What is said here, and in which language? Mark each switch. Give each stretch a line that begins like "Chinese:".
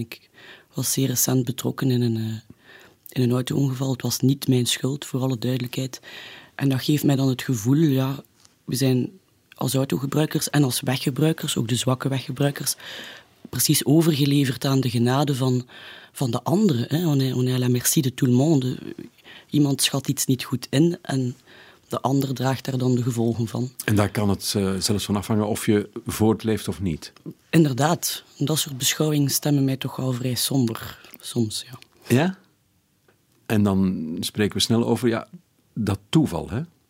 Dutch: Ik was zeer recent betrokken in een auto-ongeval. Het was niet mijn schuld, voor alle duidelijkheid. En dat geeft mij dan het gevoel, ja, we zijn als autogebruikers en als weggebruikers, ook de zwakke weggebruikers, precies overgeleverd aan de genade van de anderen.
French: On est à la merci de tout le monde.
Dutch: Iemand schat iets niet goed in en de ander draagt daar dan de gevolgen van. En daar kan het zelfs van afhangen of je voortleeft of niet. Inderdaad. Dat soort beschouwingen stemmen mij toch al vrij somber, soms. Ja? Ja? En dan spreken we snel over dat toeval, hè?